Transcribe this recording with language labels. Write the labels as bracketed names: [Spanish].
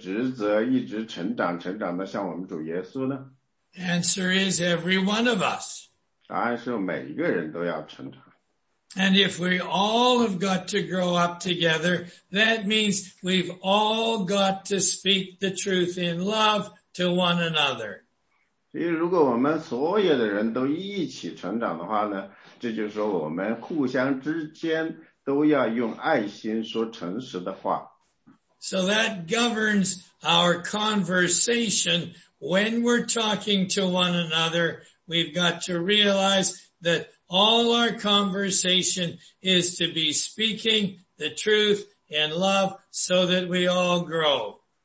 [Chinese] 所以在我们这个当地教会里，我们哪一个人有那个职责，一直成长，成长的像我们主耶稣呢？ [English] Answer is every one of us. [Chinese] 答案是每一个人都要成长。 [English] And if we all have got to grow up together, that means we've all got to speak the truth in love to one another. [Chinese] 所以如果我们所有的人都一起成长的话呢，这就是说我们互相之间都要用爱心说诚实的话。 [English] So that governs our conversation when we're talking to one another. We've got to realize that all our conversation is to be speaking the truth in love so that we all grow.